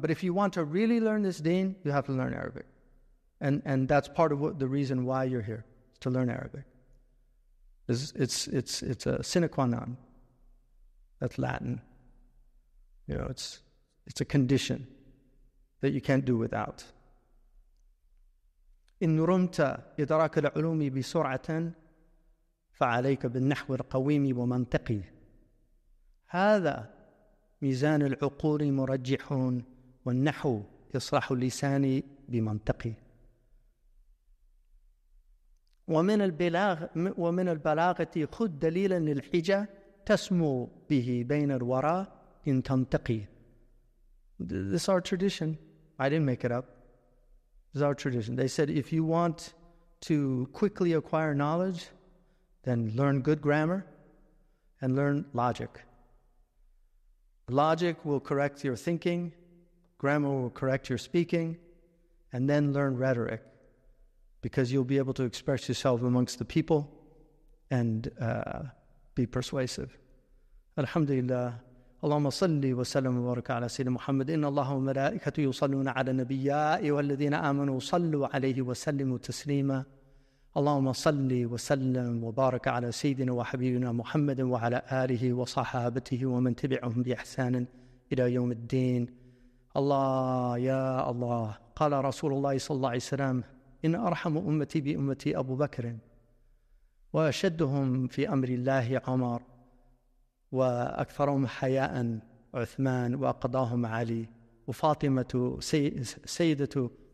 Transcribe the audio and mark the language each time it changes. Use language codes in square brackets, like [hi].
[en] But if you want to really learn this deen, you have to learn Arabic. And that's part of what, the reason why you're here, to learn Arabic. It's a sine qua non. That's Latin. You know, it's a condition that you can't do without. [ar] إن رمت إدراك العلوم بسرعة فعليك بالنحو القويم ومنطقي هذا ميزان العقول مرجحون والنحو يصلح لساني بمنطقي ومن البلاغ ومن البلاغة خذ دليلا للحجة تسمو به بين الورى إن تنطقي. [en] This is our tradition. I didn't make it up. This is our tradition. They said, if you want to quickly acquire knowledge, then learn good grammar and learn logic. Logic will correct your thinking, grammar will correct your speaking, and then learn rhetoric, because you'll be able to express yourself amongst the people and be persuasive. Alhamdulillah. [ar] اللهم صل وسلم وبارك على سيدنا محمد إن الله وملائكته يصلون على النبي والذين آمنوا صلوا عليه وسلموا تسليما اللهم صل وسلم وبارك على سيدنا وحبيبنا محمد وعلى آله وصحابته ومن تبعهم بإحسان إلى يوم الدين الله يا الله قال رسول الله صلى الله عليه وسلم إن أرحم أمتي بأمتي أبو بكر وأشدهم في أمر الله عمر وأكثرهم حياء عثمان وأقضاهم علي وفاطمة سيدة